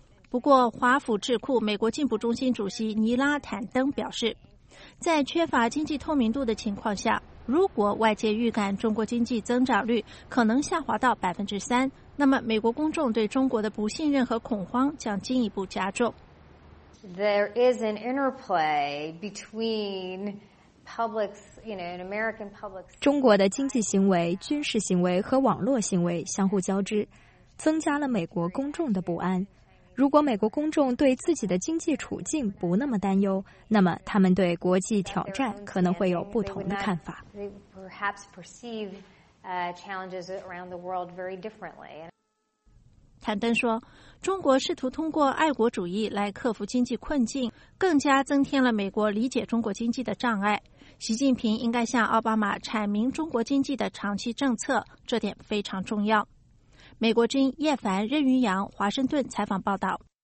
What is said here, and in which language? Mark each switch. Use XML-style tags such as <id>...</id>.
<zh>不过，华府智库美国进步中心主席尼拉·坦登表示，在缺乏经济透明度的情况下，如果外界预感中国经济增长率可能下滑到3%，那么美国公众对中国的不信任和恐慌将进一步加重。</zh> <en>There is an interplay between publics, you know, an American public's.</en> <zh>中国的经济行为、军事行为和网络行为相互交织，增加了美国公众的不安。如果美国公众对自己的经济处境不那么担忧，那么他们对国际挑战可能会有不同的看法。</zh> <en>challenges around the world very differently.</en> <zh>坦登说，中国试图通过爱国主义来克服经济困境，更加增添了美国理解中国经济的障碍。习近平应该向奥巴马阐明中国经济的长期政策，这点非常重要。美国之音叶凡、任云阳，华盛顿采访报道。</zh>